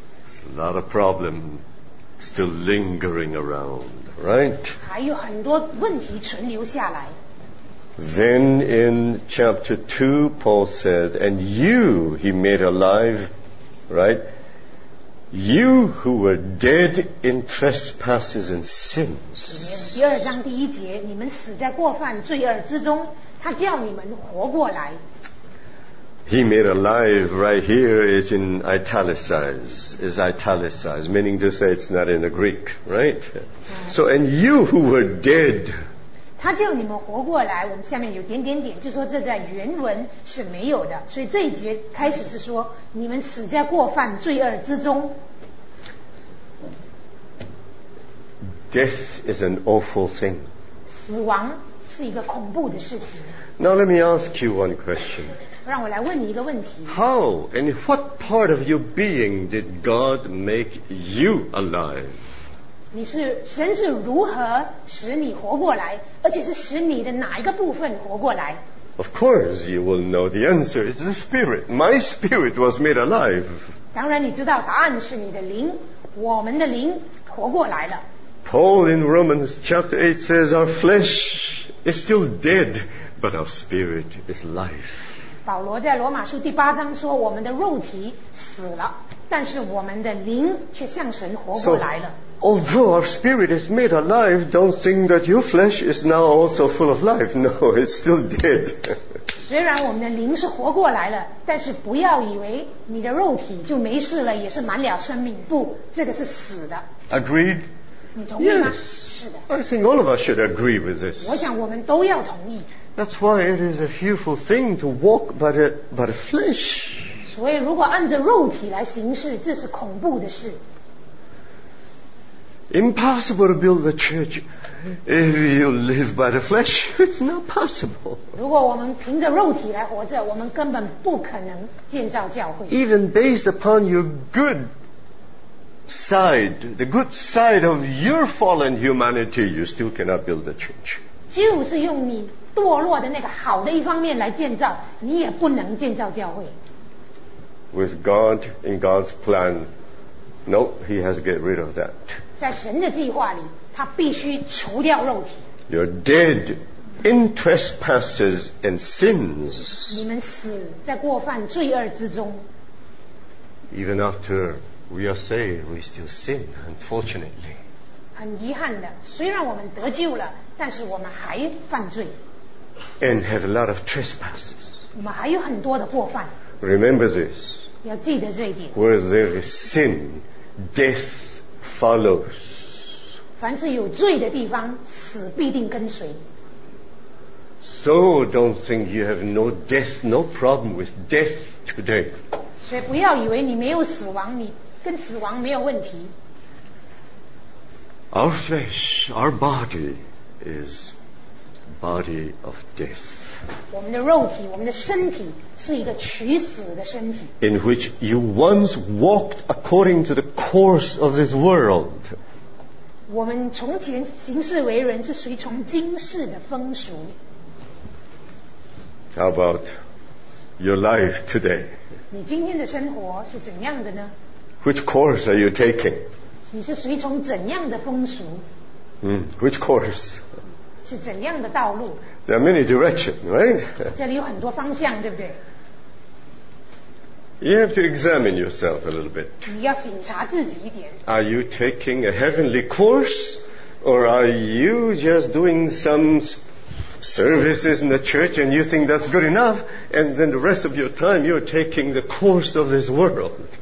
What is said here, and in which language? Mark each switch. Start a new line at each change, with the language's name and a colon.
English: It's a lot of problem still lingering around. Right?
Chinese: 还有很多问题存留下来。
English: Then in chapter 2, Paul said, and you he made alive, right? You who were dead in trespasses and sins.
Chinese: 第二章第一节，你们死在过犯罪恶之中，他叫你们活过来。
English: He made alive right here is in italicized, is italicized, meaning to say it's not in the Greek, right? So, and you who were dead.
Chinese: 他叫你们活过来，我们下面有点点点，就说这在原文是没有的，所以这一节开始是说，你们死在过犯罪恶之中。
English: Death is an awful thing.
Chinese: 死亡是一个恐怖的事情。
English: Now let me ask you one question.
Chinese: 让我来问你一个问题。
English: How and what part of your being did God make you alive?
Chinese: 你是神是如何使你活过来，而且是使你的哪一个部分活过来？
English: Of course, you will know the answer. It's the spirit. My spirit was made alive.
Chinese: 当然你知道答案是你的灵，我们的灵活过来了。
English: Paul in Romans chapter 8 says our flesh is still dead. But our spirit is life.
Chinese: 保罗在罗马书第八章说，我们的肉体死了，但是我们的灵却向神活过来了。
English: So, although our spirit is made alive, don't think that your flesh is now also full of life. No, it's still dead.
Chinese: 虽然我们的灵是活过来了，但是不要以为你的肉体就没事了，也是满了生命。不，这个是死的。
English: Agreed.
Chinese: 你同意吗？是的。
English: I think all of us should agree with this.
Chinese: 我想我们都要同意。
English: That's why it is a fearful thing to walk by the flesh.
Chinese: 所以如果按着肉体来行事，这是恐怖的事。
English: Impossible to build a church if you live by the flesh. It's not possible.
Chinese: 如果我们凭着肉体来活着，我们根本不可能建造教会。
English: Even based upon your good side, the good side of your fallen humanity, you still cannot build a church.
Chinese: 就是用你堕落的那个好的一方面来建造，你也不能建造教会。
English: With God in God's plan, no, He has to get rid of that.
Chinese: 在神的计划里，他必须除掉肉体。
English: You're dead in trespasses and sins.
Chinese: 你们死在过犯罪恶之中。
English: Even after we are saved, we still sin, unfortunately.
Chinese: 很遗憾的，虽然我们得救了，但是我们还犯罪。
English: And have a lot of trespasses.
Chinese: 我们还有很多的过犯。
English: Remember this.
Chinese: 要记得这一点。
English: Where there is sin, death follows.
Chinese: 凡是有罪的地方，死必定跟随。
English: So don't think you have no death, no problem with death today.
Chinese: 所以不要以为你没有死亡，你跟死亡没有问题。
English: Our flesh, our body is body of death.
Chinese: 我们的肉体，我们的身体是一个取死的身体。
English: In which you once walked according to the course of this world.
Chinese: 我们从前行事为人是随从今世的风俗。
English: How about your life today?
Chinese: 你今天的生活是怎样的呢？
English: Which course are you taking?
Chinese: 你是随从怎样的风俗？
English: Which course?
Chinese: 是怎样的道路？
English: There are many directions, right?
Chinese: 这里有很多方向，对不对？
English: You have to examine yourself a little bit.
Chinese: 你要审查自己一点。
English: Are you taking a heavenly course? Or are you just doing some services in the church and you think that's good enough and then the rest of your time you're taking the course of this world.